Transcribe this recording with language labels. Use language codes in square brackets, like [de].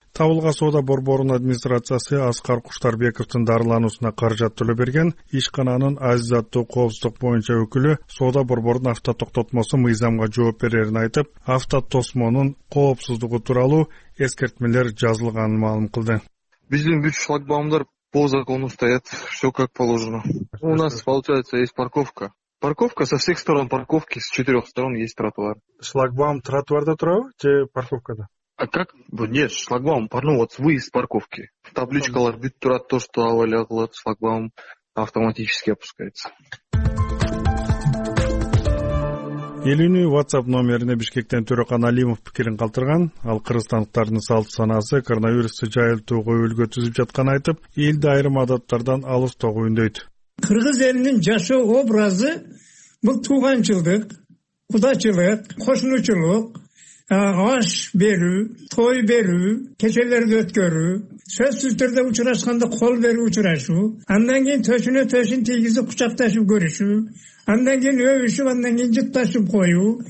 [ky] Табылга соода борборунун администрациясы Аскар Куштарбековдун дарылануусуна каражат төлөп берген. Ишкананын азизаттуу коопсуздук боюнча өкүлү соода борборунун автотоктотмосу мыйзамга жооп берерин айтып, автотосмонун коопсуздугу тууралуу эскертмелер жазылганын маалым кылды. Биздин бүт шлагбаумдар [ru] по закону стоят, все как положено. У нас получается есть парковка. Парковка со всех сторон парковки, с четырех сторон есть тротуар. [ky] Шлагбаум тротуарда турабы же парковкада? [ru] А как? Нет, шлагбаум, ну вот выезд парковки. [ky] Табличкалар бүт турат, [ru] то, что аваля кылат, шлагбаум автоматически опускается. [ky] Элинин WhatsApp номерине Бишкектен Төрөкан Алимов пикирин калтырган. Ал кыргызстандыктардын салт санасы коронавирусту жайылтууга өлгө түзүп жатканын айтып, элди айрым адаттардан алыстоого үндөйт. Кыргыз элинин жашоо образы бул тууганчылдык, кудачылык, кошунучулук, аш берүү, той берүү, кечелерди өткөрүү, сөзсүз түрдө учурашканда кол берүү учурашуу, андан кийин төшүнө төшүн тийгизип кучакташып көрүшүү, андан кийин өбүшүп, андан кийин жытташып коюу.